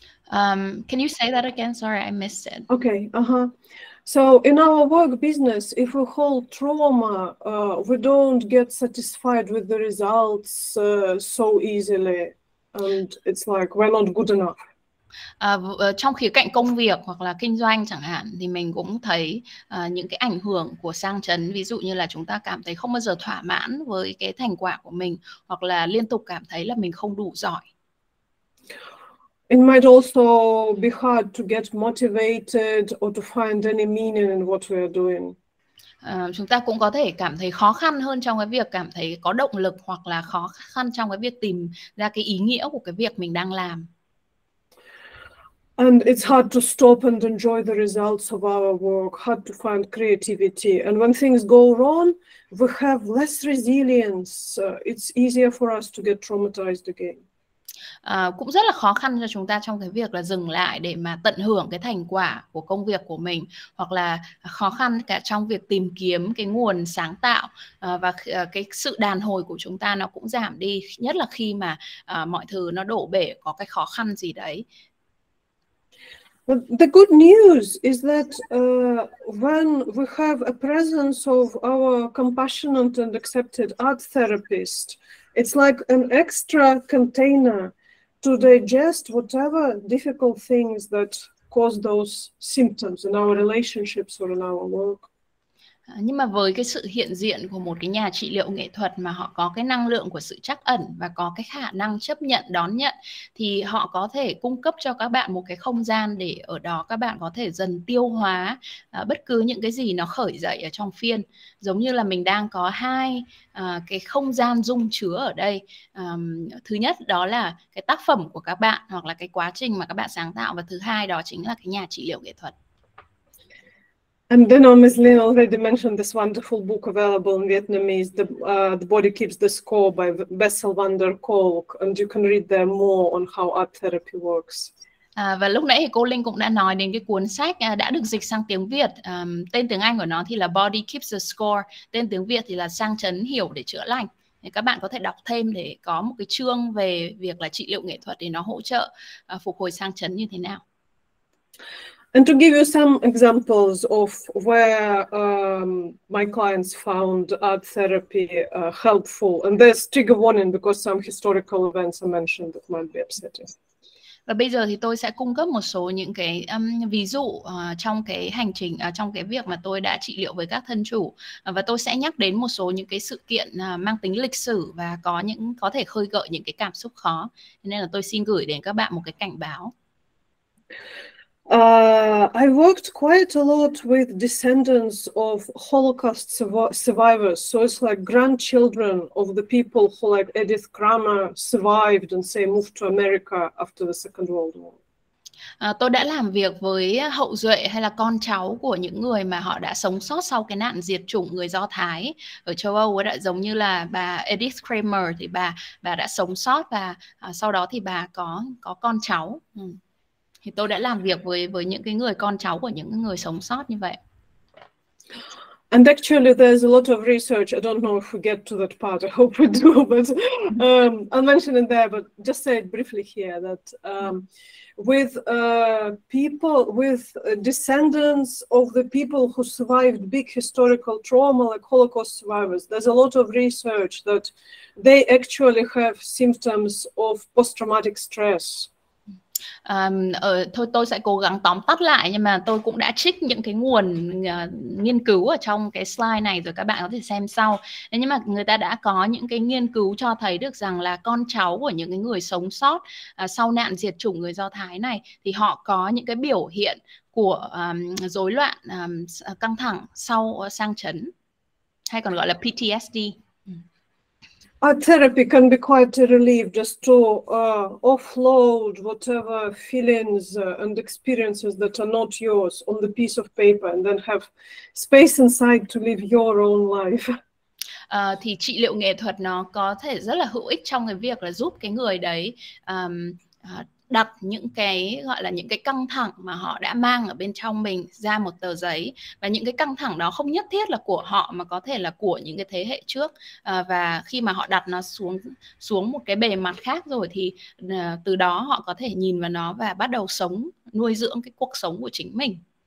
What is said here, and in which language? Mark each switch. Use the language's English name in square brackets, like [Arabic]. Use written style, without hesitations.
[English] Can you say that again? Sorry, I missed it. Okay, So in our work business, if we hold trauma, we don't get satisfied with the results so easily, and it's like we're not good enough. [Vietnamese] Trong khía cạnh công việc hoặc là kinh doanh chẳng hạn thì mình cũng thấy những cái ảnh hưởng của sang chấn, ví dụ như là chúng ta cảm thấy không bao giờ thỏa mãn với cái thành quả của mình hoặc là liên tục cảm thấy là mình không đủ giỏi. [English] It might also be hard to get motivated or to find any meaning in what we are doing. [Vietnamese] Chúng ta cũng có thể cảm thấy khó khăn hơn trong cái việc cảm thấy có động lực hoặc là khó khăn trong cái việc tìm ra cái ý nghĩa của cái việc mình đang làm. [English] And it's hard to stop and enjoy the results of our work, hard to find creativity. And when things go wrong, we have less resilience. It's easier for us to get traumatized again. [Vietnamese] Cũng rất là khó khăn cho chúng ta trong cái việc là dừng lại để mà tận hưởng cái thành quả của công việc của mình hoặc là khó khăn cả trong việc tìm kiếm cái nguồn sáng tạo và cái sự đàn hồi của chúng ta nó cũng giảm đi, nhất là khi mà mọi thứ nó đổ bể có cái khó khăn gì đấy. [English] But the good news is that when we have a presence of our compassionate and accepted art therapist, it's like an extra container to digest whatever difficult things that cause those symptoms in our relationships or in our work. [Vietnamese] Nhưng mà với cái sự hiện diện của một cái nhà trị liệu nghệ thuật mà họ có cái năng lượng của sự trắc ẩn và có cái khả năng chấp nhận, đón nhận, thì họ có thể cung cấp cho các bạn một cái không gian để ở đó các bạn có thể dần tiêu hóa bất cứ những cái gì nó khởi dậy ở trong phiên. Giống như là mình đang có hai cái không gian dung chứa ở đây. Thứ nhất đó là cái tác phẩm của các bạn hoặc là cái quá trình mà các bạn sáng tạo, và thứ hai đó chính là cái nhà trị liệu nghệ thuật. [English] And then Miss Lin already mentioned this wonderful book available in Vietnamese, The Body Keeps the Score by Bessel van der Kolk, and you can read there more on how art therapy works. [Vietnamese] Và lúc nãy thì cô Linh cũng đã nói đến cái cuốn sách đã được dịch sang tiếng Việt. Tên tiếng Anh của nó thì là [English] Body Keeps the Score. [Vietnamese] Tên tiếng Việt thì là Sang chấn hiểu để chữa lành. Thì các bạn có thể đọc thêm để có một cái chương về việc là trị liệu nghệ thuật để nó hỗ trợ phục hồi sang chấn như thế nào. [English] And to give you some examples of where my clients found art therapy helpful, and there's trigger warning because some historical events are mentioned that might be upsetting. [Vietnamese] Và bây giờ thì tôi sẽ cung cấp một số những cái ví dụ trong cái hành trình, trong cái việc mà tôi đã trị liệu với các thân chủ, và tôi sẽ nhắc đến một số những cái sự kiện mang tính lịch sử và có thể khơi gợi những cái cảm xúc khó. Nên là tôi xin gửi đến các bạn một cái cảnh báo. [English] I worked quite a lot with descendants of Holocaust survivors, so it's like grandchildren of the people who, like Edith Cramer, survived and say moved to America after the Second World War. [Vietnamese] Tôi đã làm việc với hậu duệ hay là con cháu của những người mà họ đã sống sót sau cái nạn diệt chủng người Do Thái ở châu Âu, đã giống như là bà Edith Cramer, thì bà đã sống sót và sau đó thì bà có con cháu. Thì tôi đã làm việc với những cái người con cháu của những người sống sót như vậy. [English] And actually, there's a lot of research. I don't know if we get to that part. I hope we do, but I'll mention it there. But just say it briefly here that with people, with descendants of the people who survived big historical trauma, like Holocaust survivors, there's a lot of research that they actually have symptoms of post-traumatic stress. [Vietnamese] Thôi tôi sẽ cố gắng tóm tắt lại, nhưng mà tôi cũng đã trích những cái nguồn nghiên cứu ở trong cái slide này rồi, các bạn có thể xem sau. Nhưng mà người ta đã có những cái nghiên cứu cho thấy được rằng là con cháu của những cái người sống sót sau nạn diệt chủng người Do Thái này thì họ có những cái biểu hiện của rối loạn căng thẳng sau sang chấn, hay còn gọi là PTSD. [English] Art therapy can be quite a relief just to offload whatever feelings and experiences that are not yours on the piece of paper and then have space inside to live your own life. [Vietnamese] Thì trị liệu nghệ thuật nó có thể rất là hữu ích trong cái việc là giúp cái người đấy đặt những cái gọi là những cái căng thẳng mà họ đã mang ở bên trong mình ra một tờ giấy, và những cái căng thẳng đó không nhất thiết là của họ mà có thể là của những cái thế hệ trước, và khi mà họ đặt nó xuống xuống một cái bề mặt khác rồi thì từ đó họ có thể nhìn vào nó và bắt đầu sống nuôi dưỡng cái cuộc sống của chính mình.